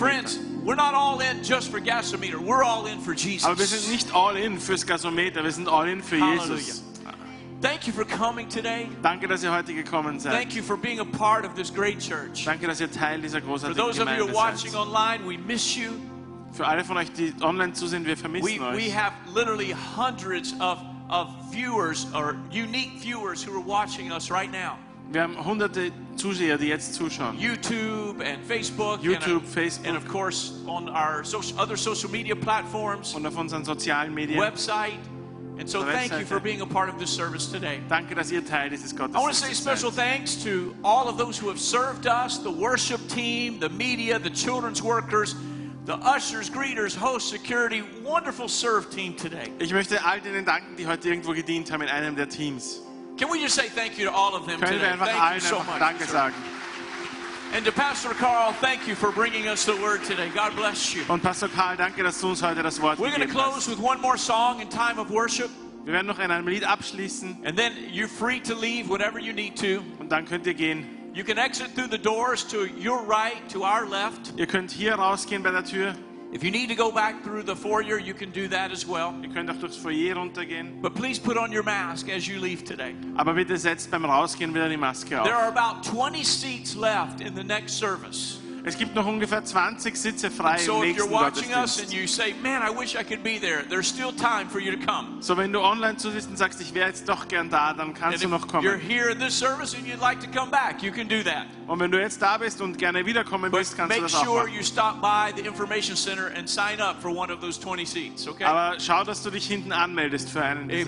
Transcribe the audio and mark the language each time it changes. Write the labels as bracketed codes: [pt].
[en] But friends, we're not all in just for Gasometer. We're all in for Jesus. [de] Aber wir sind nicht all in fürs Gasometer. Wir sind all in für Hallelujah. Jesus. [en] Thank you for coming today. [de] Danke, dass ihr heute gekommen seid. [en] Thank you for being a part of this great church. [de] Danke, dass ihr Teil dieser großartigen Gemeinde seid. [en] For those of you watching online, we miss you. [de] Für alle von euch, die online zusehen, wir vermissen euch. [en] We have literally hundreds of viewers or unique viewers who are watching us right now. [de] Wir haben hunderte Zuseher, die jetzt zuschauen. [en] YouTube and Facebook. [de] YouTube, Facebook. [en] And of course on our other social media platforms. [de] Und auf unseren sozialen Medien. [en] Website. And so thank you for being a part of this service today. [de] Danke, dass ihr Teil dieses Gottesdienstes [en] seid. I want to say a special thanks to all of those who have served us, the worship team, the media, the children's workers, the ushers, greeters, host, security, wonderful serve team today. [de] Ich möchte all denen danken, die heute irgendwo gedient haben in einem der Teams. [en] Can we just say thank you to all of them today? Thank you so much. [de] Danke sagen. [en] And to Pastor Carl, thank you for bringing us the word today. God bless you. [de] Und Pastor Carl, danke, dass du uns heute das Wort. [en] We're going to close with one more song in time of worship. [de] Wir werden noch in einem Lied abschließen. [en] And then you're free to leave whenever you need to. [de] Und dann könnt ihr gehen. [en] You can exit through the doors to your right, to our left. [de] Ihr könnt hier rausgehen bei der Tür. [en] If you need to go back through the foyer, you can do that as well. [de] Ihr könnt auch durchs Foyer runtergehen. [en] But please put on your mask as you leave today. [de] Aber bitte setzt beim Rausgehen wieder die Maske auf. [en] There are about 20 seats left in the next service. [de] Es gibt noch ungefähr 20 Sitze frei [en] so [de] im nächsten [en] if you're watching us and you say, man, I wish I could be there, there's still time for you to come. [de] So wenn du online zusiehst und sagst, ich wäre jetzt doch gern da, dann kannst du noch kommen. [en] You're here in this service and you'd like to come back, you can do that. [de] Und wenn du jetzt da bist und gerne wiederkommen [en] but [de] willst, kannst du das [en] sure [de] auch machen. [en] Make sure you stop by the information center and sign up for one of those 20 seats, okay? [de] Aber schau, dass du dich hinten anmeldest für einen dieser